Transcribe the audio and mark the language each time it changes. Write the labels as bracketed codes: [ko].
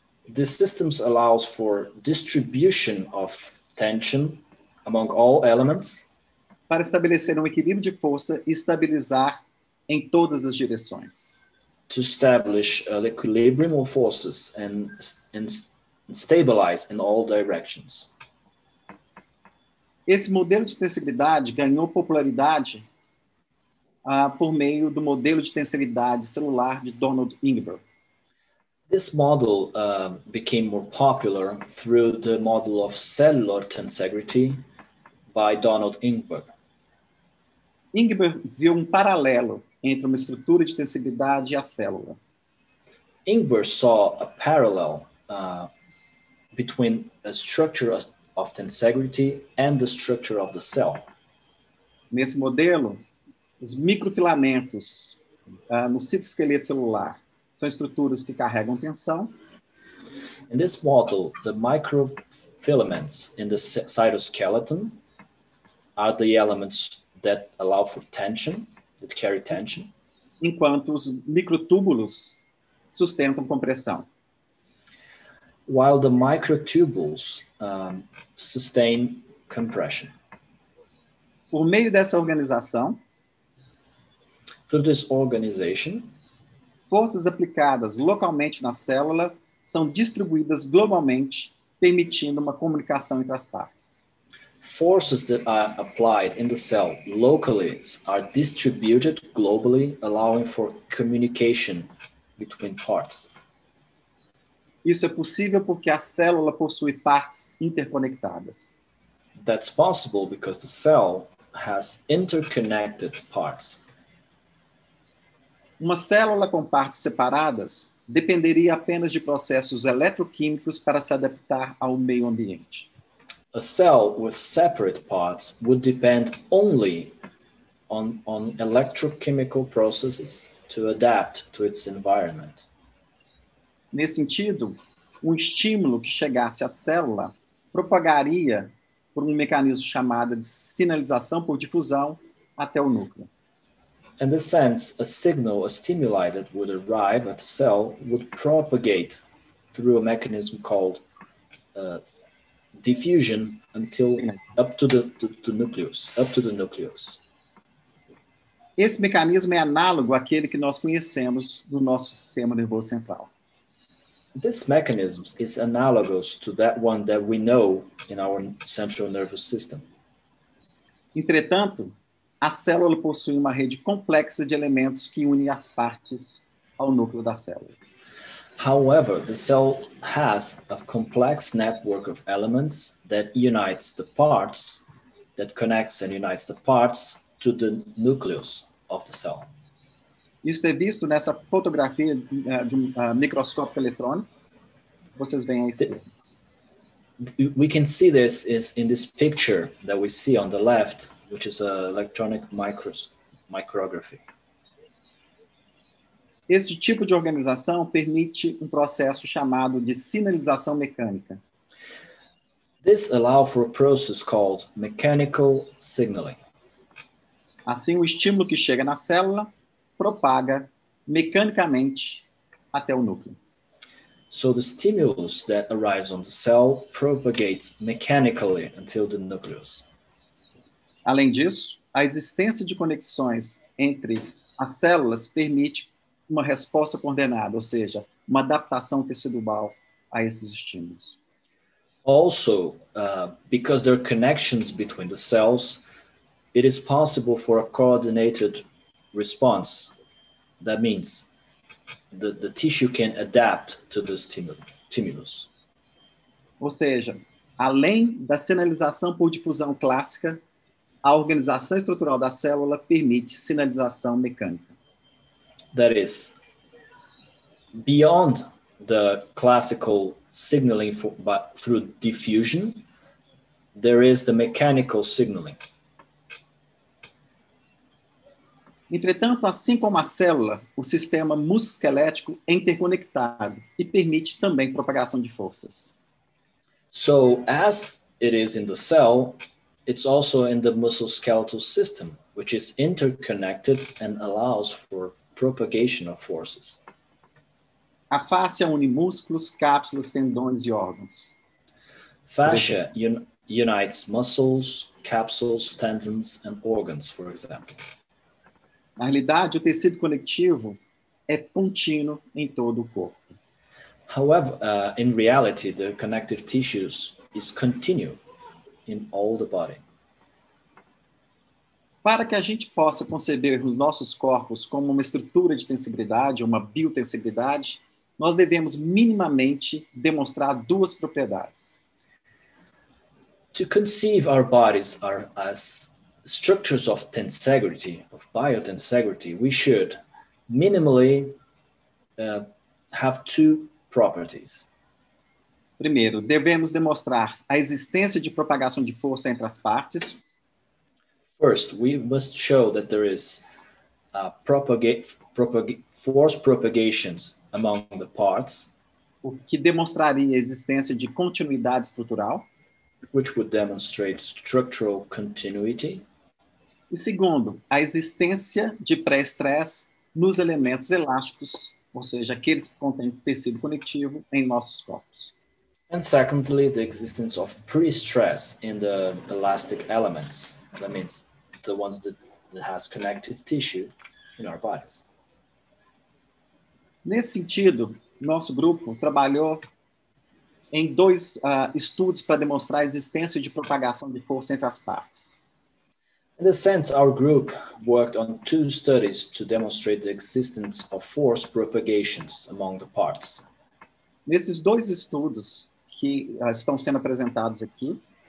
[en] The system allows for distribution of tension among all elements. [pt] Para estabelecer um equilíbrio de força e estabilizar em todas as direções. [en] To establish an equilibrium of forces and stabilize in all directions. [pt] Esse modelo de tensibilidade ganhou popularidade por meio do modelo de tensibilidade celular de Donald Ingber. [en] This model became more popular through the model of cellular tensegrity by Donald Ingber. [pt] Ingber viu um paralelo entre uma estrutura de tensibilidade e a célula. [en] Ingber saw a parallel between the structure of the integrity and the structure of the cell. [pt] Nesse modelo, os microfilamentos no citoesqueleto celular são estruturas que carregam tensão. [en] In this model, the microfilaments in the cytoskeleton are the elements that allow for tension, that carry tension. [pt] Enquanto os microtúbulos sustentam compressão. [en] While the microtubules sustain compression. [pt] Por meio dessa organização, [en] through this organization, [pt] forças aplicadas localmente na célula são distribuídas globalmente, permitindo uma comunicação entre as partes. [en] Forces that are applied in the cell locally are distributed globally, allowing for communication between parts. [pt] Isso é possível porque a célula possui partes interconectadas. [en] That's possible because the cell has interconnected parts. [pt] Uma célula com partes separadas dependeria apenas de processos eletroquímicos para se adaptar ao meio ambiente. [en] A cell with separate parts would depend only on electrochemical processes to adapt to its environment. [pt] Nesse sentido, um estímulo que chegasse à célula propagaria por um mecanismo chamado de sinalização por difusão até o núcleo. [en] In this sense, a signal, a stimuli that would arrive at the cell would propagate through a mechanism called diffusion until up to the nucleus, up to the nucleus. [pt] Esse mecanismo é análogo àquele que nós conhecemos do nosso sistema nervoso central. [en] This mechanism is analogous to that one that we know in our central nervous system. [pt] Entretanto, a célula possui uma rede complexa de elementos que une as partes ao núcleo da célula. [en] However, the cell has a complex network of elements that unites the parts, that connects and unites the parts to the nucleus of the cell. [pt] Isso é visto nessa fotografia de um microscópio eletrônico. Vocês veem aí. [en] We can see this is in this picture that we see on the left, which is an electronic micrography. [pt] Este tipo de organização permite um processo chamado de sinalização mecânica. [en] This allows for a process called mechanical signaling. [pt] Assim, o estímulo que chega na célula propaga mecanicamente até o núcleo. [en] So the stimulus that arrives on the cell propagates mechanically until the nucleus. [pt] Além disso, a existência de conexões entre as células permite uma resposta coordenada, ou seja, uma adaptação tecidual a esses estímulos. [en] Also, because there are connections between the cells, it is possible for a coordinated response. That means the tissue can adapt to the stimulus. [pt] Ou seja, além da sinalização por difusão clássica, a organização estrutural da célula permite sinalização mecânica. [en] That is, beyond the classical signaling through diffusion, there is the mechanical signaling. [pt] Entretanto, assim como a célula, o sistema musculoesquelético é interconectado e permite também propagação de forças. [en] So, as it is in the cell, it's also in the muscle skeletal system, which is interconnected and allows for propagation of forces. [pt] A fáscia une músculos, cápsulas, tendões e órgãos. [en] Fascia unites muscles, capsules, tendons and organs, for example. [pt] Na realidade, o tecido conectivo é contínuo em todo o corpo. [en] However, in reality, the connective tissues is continuous in all the body. [pt] Para que a gente possa conceber os nossos corpos como uma estrutura de tensibilidade, uma biotensibilidade, nós devemos minimamente demonstrar duas propriedades. [en] To conceive our bodies as structures of tensegrity, of biotensegrity, we should minimally have two properties. [pt] Primeiro, devemos demonstrar a existência de propagação de força entre as partes. [en] First, we must show that there is force propagations among the parts. [pt] O que demonstraria a existência de continuidade estrutural. [en] Which would demonstrate structural continuity. [pt] E segundo, a existência de pré-estresse nos elementos elásticos, ou seja, aqueles que contêm tecido conectivo em nossos corpos. [en] And secondly, the existence of pre-stress in the elastic elements, that means the ones that has connective tissue in our bodies. [pt] Nesse sentido, nosso grupo trabalhou em dois estudos para demonstrar a existência de propagação de força entre as partes. [en] In this sense, our group worked on two studies to demonstrate the existence of force propagations among the parts. [pt] Nesses dois estudos que estão sendo apresentados aqui,